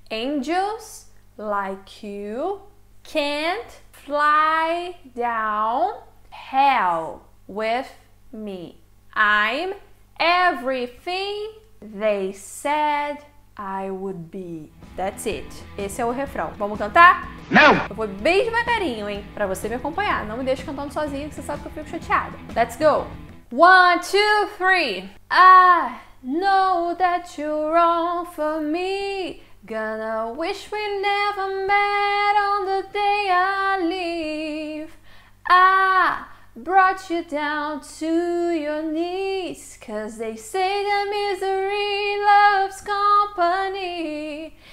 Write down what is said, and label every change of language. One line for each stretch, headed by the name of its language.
English: Angels like you can't fly down hell with me. I'm everything they said I would be. That's it.
Portuguese: Esse é o refrão. Vamos cantar? Não! Eu vou bem devagarinho, hein? Pra você me acompanhar. Não me deixe cantando sozinho, que você sabe que eu fico chateada.
English: Let's go! One, two, three! I know that you're wrong for me. Gonna wish we never met on the day I leave. I brought you down to your knees, 'cause they say that misery loves company.